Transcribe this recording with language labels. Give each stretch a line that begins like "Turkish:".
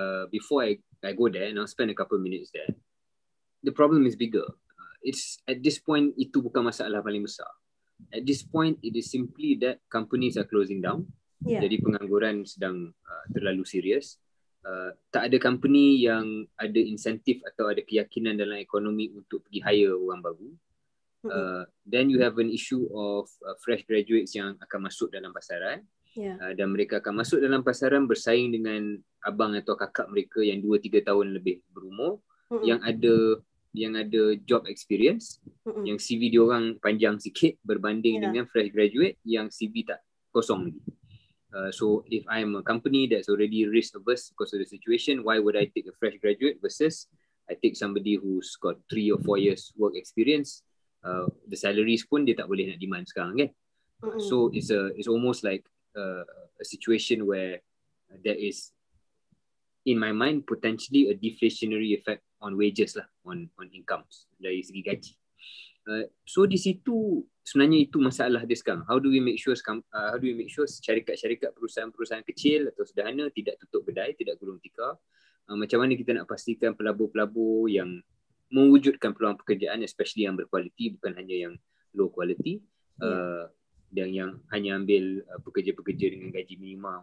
English: Before I go there, and I'll spend a couple of minutes there, the problem is bigger. It's at this point,
Malay: itu bukan masalah paling besar.
English: At this point, it is simply that companies are closing down.
Malay: Jadi pengangguran sedang terlalu serius. Tak ada company yang ada insentif atau ada keyakinan dalam ekonomi untuk pergi hire orang baru.
English: Then you have an issue of fresh graduates
Malay: yang akan masuk dalam pasaran. Dan mereka akan masuk dalam pasaran bersaing dengan abang atau kakak mereka yang 2-3 tahun lebih berumur, yang ada job experience, yang CV dia orang panjang sikit berbanding dengan fresh graduate yang CV tak kosong lagi.
English: So if I'm a company that's already risk averse because of the situation, why would I take a fresh graduate versus I take somebody who's got 3 or 4 years work experience? The salaries
Malay: pun dia tak boleh nak
English: demand sekarang, kan? So it's almost like a situation where there is, in my mind, potentially a deflationary effect on wages lah, on incomes
Malay: dari segi gaji. So di situ sebenarnya itu masalah dia sekarang.
English: How do we make sure
Malay: syarikat-syarikat, perusahaan-perusahaan kecil atau sederhana tidak tutup kedai, tidak gulung tikar? Macam mana kita nak pastikan pelabur-pelabur yang mewujudkan peluang pekerjaan, especially yang berkualiti, bukan hanya yang low quality, dan yang hanya ambil pekerja-pekerja dengan gaji minima.